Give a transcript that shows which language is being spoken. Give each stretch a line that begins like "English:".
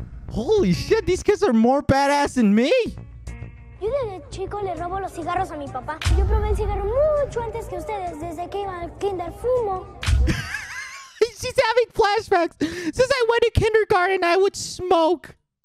English: Holy shit, these kids are more badass than me.
Spanish: Yo desde chico le robo los cigarros a mi papá. Yo probé el cigarro mucho antes que ustedes, desde que iba al kinder fumo.
English: She's having flashbacks. Since I went to kindergarten, I would smoke.